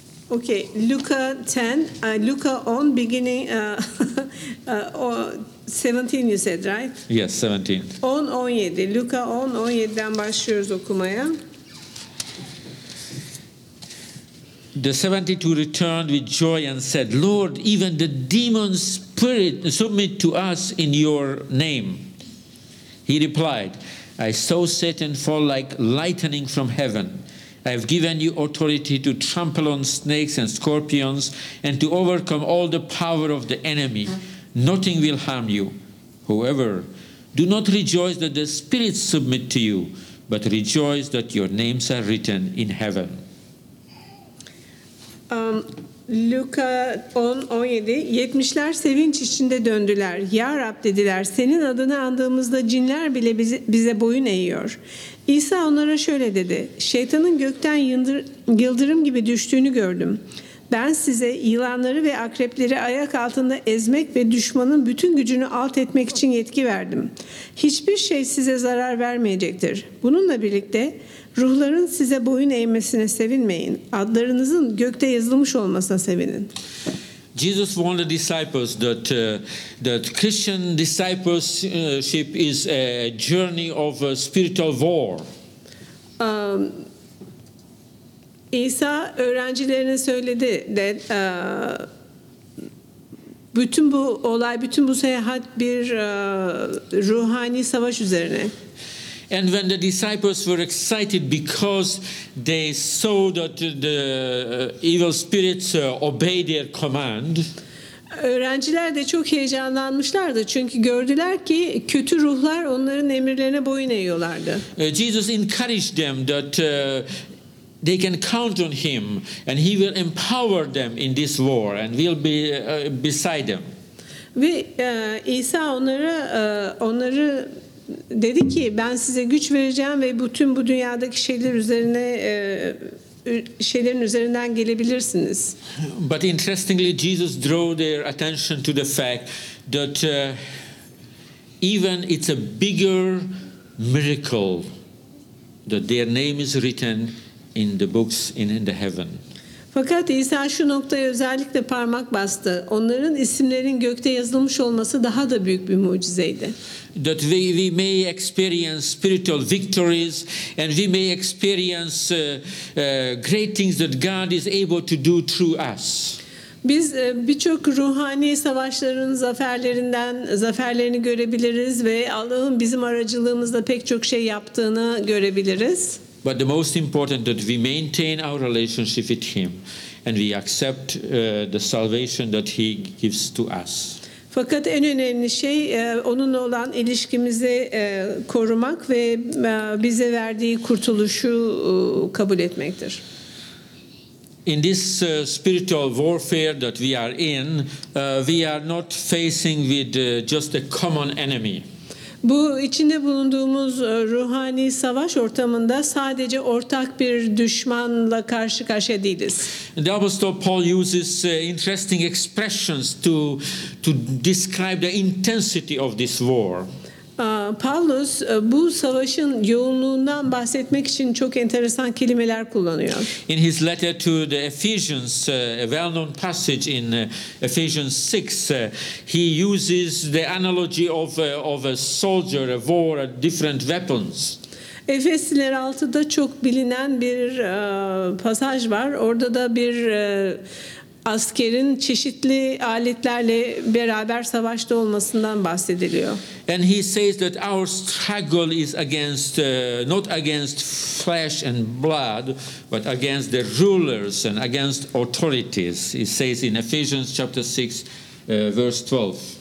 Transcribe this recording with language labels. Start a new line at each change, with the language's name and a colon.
English: Okay, Luke 10, Luke 10 beginning 17 you said, right? Yes, 17. 10-17.
Turkish: Luke 10-17'den başlıyoruz okumaya.
English: The 72 returned with joy and said, "Lord, even the demons spirit submit to us in your name." He replied, "I saw Satan fall like lightning from heaven. I have given you authority to trample on snakes and scorpions and to overcome all the power of the enemy. Nothing will harm you. However, Do not rejoice that the spirits submit to you, but rejoice that your names are written in heaven.
Turkish: Luka 10:17 70'ler sevinç içinde döndüler. Ya Rab dediler, senin adını andığımızda cinler bile bize boyun eğiyor. İsa onlara şöyle dedi, şeytanın gökten yıldırım gibi düştüğünü gördüm. Ben size yılanları ve akrepleri ayak altında ezmek ve düşmanın bütün gücünü alt etmek için yetki verdim. Hiçbir şey size zarar vermeyecektir. Bununla birlikte ruhların size boyun eğmesine sevinmeyin. Adlarınızın gökte yazılmış olmasına sevinin.
English: Jesus warned the disciples that that Christian discipleship is a journey of a spiritual war.
Turkish: İsa öğrencilerine söyledi de bütün bu olay, bütün bu seyahat bir ruhani savaş üzerine.
English: And when the disciples were excited because they saw that the evil spirits obey their command.
Turkish: Öğrenciler de çok heyecanlanmışlardı çünkü gördüler ki kötü ruhlar onların emirlerine boyun eğiyorlardı.
English: Jesus encouraged them that they can count on him and he will empower them in this war and will be beside them.
Turkish: Ve İsa onları dedi ki ben size güç vereceğim ve bütün bu dünyadaki şeyler üzerine şeylerin üzerinden gelebilirsiniz.
English: But interestingly Jesus drew their attention to the fact that even it's a bigger miracle that their name is written in the books in the heaven.
Turkish: Fakat İsa şu noktaya özellikle parmak bastı. Onların isimlerin gökte yazılmış olması daha da büyük bir mucizeydi.
English: That we may experience spiritual victories and we may experience great things that God is able to do through us.
Turkish: Biz birçok ruhani savaşların zaferlerini görebiliriz ve Allah'ın bizim aracılığımızla pek çok şey yaptığını görebiliriz.
English: But the most important that we maintain our relationship with him and we accept the salvation that he gives to us.
Turkish: Fakat en önemli şey onunla olan ilişkimizi korumak ve bize verdiği kurtuluşu kabul etmektir.
English: In this spiritual warfare that we are in, we are not facing with just a common enemy.
Turkish: Bu içinde bulunduğumuz ruhani savaş ortamında sadece ortak bir düşmanla karşı karşıya değiliz.
English: The Apostle Paul uses interesting expressions to describe the intensity of this war.
Turkish: Paulus bu savaşın yoğunluğundan bahsetmek için çok enteresan kelimeler kullanıyor.
English: In his letter to the Ephesians, a well-known passage in Ephesians 6, he uses the analogy of a soldier, a war, a different weapons.
Turkish: Efesliler 6'da çok bilinen bir pasaj var. Orada da bir askerin çeşitli aletlerle beraber savaşta olmasından bahsediliyor.
English: And he says that our struggle is against not against flesh and blood, but against the rulers and against authorities. He says in Ephesians chapter 6 verse 12.